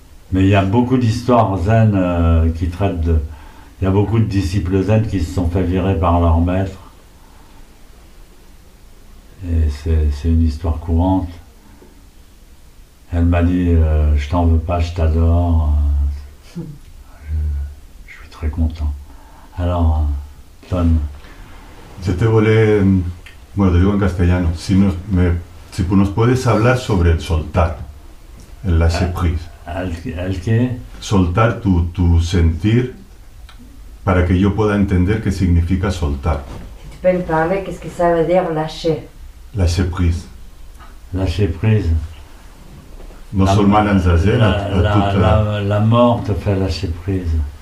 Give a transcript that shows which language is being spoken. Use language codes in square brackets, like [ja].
[fr] Mais il y a beaucoup d'histoires zen qui traitent de. Il y a beaucoup de disciples zen qui se sont fait virer par leur maître. Et c'est une histoire courante. Elle m'a dit je t'en veux pas, je t'adore. Je suis très content. Alors, Tom. [es] Yo te volé, bueno, te digo en castellano, si nos, me, si nos puedes hablar sobre el soltar, el lâcher prise. ¿Al qué? Soltar tu, tu sentir para que yo pueda entender qué significa soltar. [fr] Si tu peux me parler, qu'est-ce que ça veut dire lâcher? Lâcher prise. Lâcher prise. Non seulement en zazen, la, à la, toute la... La mort te fait lâcher prise.